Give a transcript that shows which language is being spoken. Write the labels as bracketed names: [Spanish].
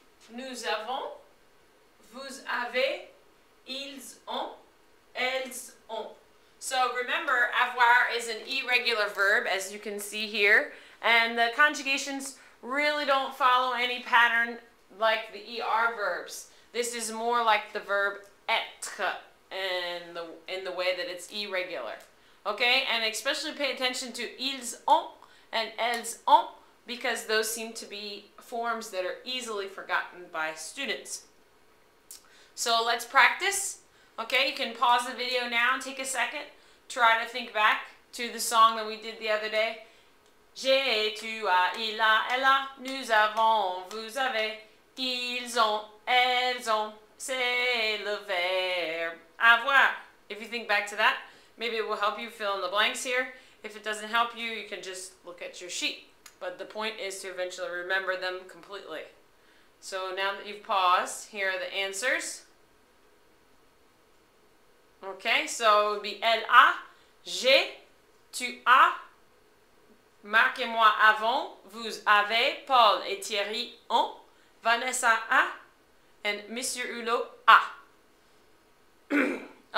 [French] Nous avons, vous avez, ils ont, elles ont. [English] So remember, avoir is an irregular verb, as you can see here. And the conjugations really don't follow any pattern like the ER verbs. This is more like the verb être in the way that it's irregular. Okay, and especially pay attention to [French] ils ont [English] and [French] elles ont, [English] because those seem to be forms that are easily forgotten by students. So let's practice. Okay, you can pause the video now and take a second. Try to think back to the song that we did the other day. [French] J'ai, tu as, il a, elle a, nous avons, vous avez, ils ont, elles ont, c'est le verbe avoir. [English] If you think back to that, maybe it will help you fill in the blanks here. If it doesn't help you, you can just look at your sheet. But the point is to eventually remember them completely. So now that you've paused, here are the answers. Okay, so it would be [French] elle a, j'ai, tu as, Marc et moi avons, vous avez, Paul et Thierry ont, Vanessa a, [English] and [French] Monsieur Hulot a.